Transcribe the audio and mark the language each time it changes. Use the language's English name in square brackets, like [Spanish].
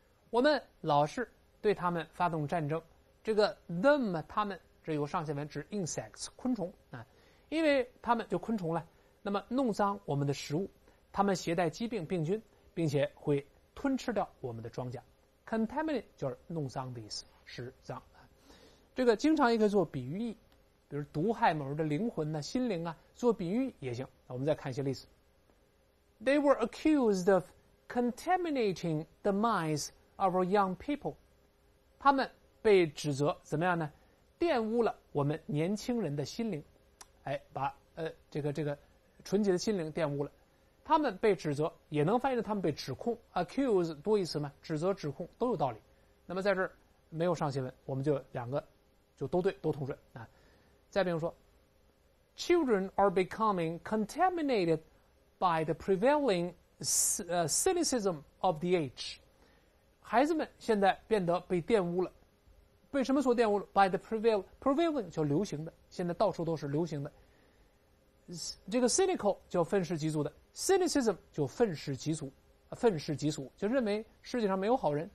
[Chinese] 我们老是对他们发动战争。这个 them 他们，这有上下文，指 insects 昆虫啊，因为他们就昆虫了，那么弄脏我们的食物，他们携带疾病病菌，并且会吞吃掉我们的庄稼。 Contaminate 就是弄脏的意思，使脏。这个经常也可以做比喻，比如毒害某人的灵魂呢、心灵啊，做比喻也行。那我们再看一些例子 [English] ：They were accused of contaminating the minds of our young people。 [Chinese] 他们被指责怎么样呢？玷污了我们年轻人的心灵，哎，把这个纯洁的心灵玷污了。他们被指责，也能翻译成他们被指控 ，accuse 多义词嘛，指责、指控都有道理。那么在这儿没有上下文，我们就两个就都对，都通顺啊。再比如说 [English] children are becoming contaminated by the prevailing cynicism of the age. [Chinese] 孩子们现在变得被玷污了。被什么所玷污了？ [English] By the prevailing [Chinese] 叫流行的，现在到处都是流行的。这个 cynical 叫愤世嫉俗的， cynicism 就愤世嫉俗，愤世嫉俗就认为世界上没有好人。